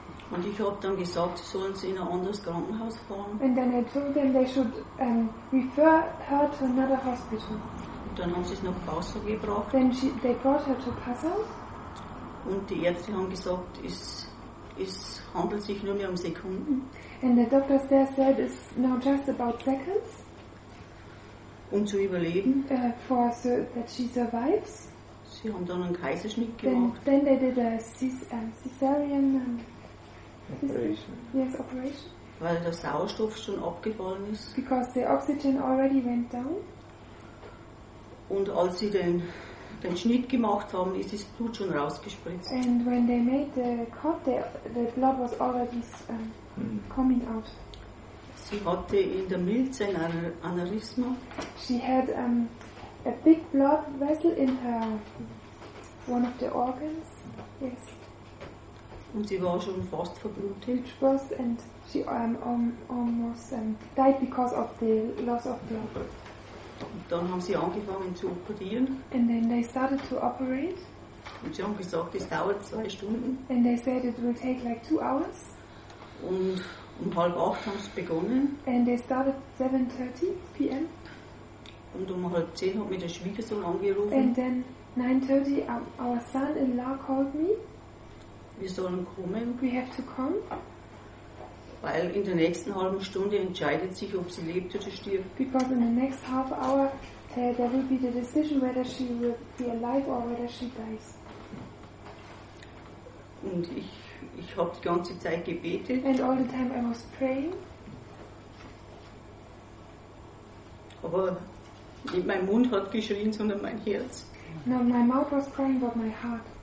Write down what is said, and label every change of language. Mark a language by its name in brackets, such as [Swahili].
[German] Und ich habe dann gesagt, sollen sie in ein anderes Krankenhaus fahren. [English] And then I told them they should refer her to another hospital. [German] Und dann haben sie es nach Passau gebracht. [English] Then they brought her to Passau. [German] Und die Ärzte haben gesagt, es handelt sich nur mehr um Sekunden. [English] And the doctors there said it's now just about seconds. [German] Um zu überleben. [English] That she survives. [German] Sie haben dann einen Kaiserschnitt gemacht. [English] Then they did a cesarean operation. Yes, operation. [German] Weil der Sauerstoff schon abgefallen ist. [English] Because the oxygen already went down. [German] Und als sie den Schnitt gemacht haben, ist das Blut schon rausgespritzt. [English] And when they made the cut, the blood was already coming out. [German] Sie hatte in der Milz ein Aneurysma. [English] She had a big blood vessel in her one of the organs. Yes. [German] Und sie war schon fast verblutet. [English] Which was and she almost died because of the loss of blood. [German] Und dann haben sie angefangen zu operieren. [English] And then they started to operate. [German] Und sie haben gesagt, es dauert 2 Stunden. [English] And they said it will take like 2 hours. [German] Und um 7:30 haben sie begonnen. [English] And they started 7:30 p.m. [German] Und um 9:30 hat mich der Schwiegersohn angerufen. [English] And then 9:30 our son-in-law called me. [German] Wir sollen kommen. [English] We have to come. [German] Weil in der nächsten halben Stunde entscheidet sich, ob sie lebt oder stirbt. [English] Because in the next half hour there will be the decision whether she will be alive or whether she dies. [German] Und ich habe die ganze Zeit gebetet. [English] And all the time I was praying. [German] Aber nicht mein Mund hat geschrien, sondern mein Herz. [English] No, my mouth was crying, but my heart.